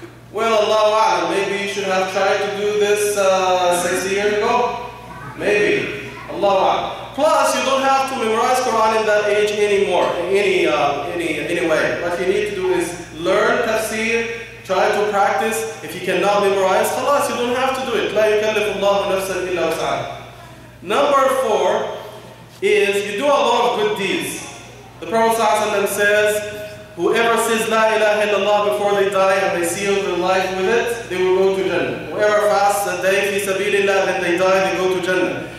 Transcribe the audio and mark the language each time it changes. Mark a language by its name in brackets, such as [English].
[English] Well, Allahu A'lam, maybe you should have tried to do this 6 years ago. Maybe. Allahu A'lam. Plus, you don't have to memorize Quran in that age anymore, in any way. What you need to do is learn tafsir, try to practice. If you cannot memorize, khalas, you don't have to do it. [Arabic] لا يكلف الله نفسا إلا وسعها. [English] Number four is you do a lot of good deeds. The Prophet ﷺ says, whoever says La ilaha illallah before they die and they seal their life with it, they will go to Jannah. Whoever fasts a day fi sabilillah, then they die, they go to Jannah.